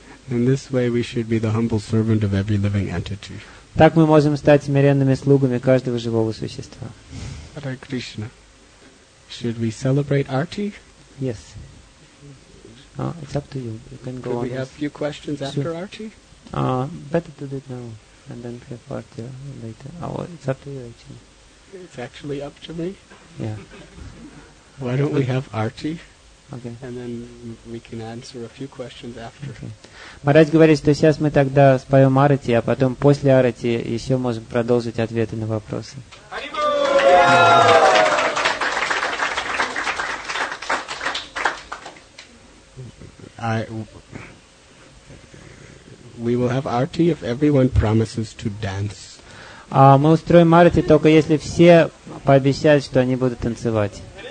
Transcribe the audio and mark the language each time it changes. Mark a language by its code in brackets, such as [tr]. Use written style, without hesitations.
[en] In this way, we should be the humble servant of every living entity. [ru] Так мы можем стать смиренными слугами каждого живого существа. [en] Hare Krishna. Should we celebrate arti? Yes. It's up to you. You can go on. We have a few questions after arti? Better to do it now and then have arti later. It's up to you, actually. It's actually up to me? Yeah. Why don't we have arti? Okay. And then we can answer a few questions after. [ru] Maharaj говорит, что сейчас мы тогда споем арати, а потом после арати еще можем продолжить ответы на вопросы. [en] We will have arati if everyone promises to dance. [ru] Мы устроим арати только если все пообещают, что они будут танцевать.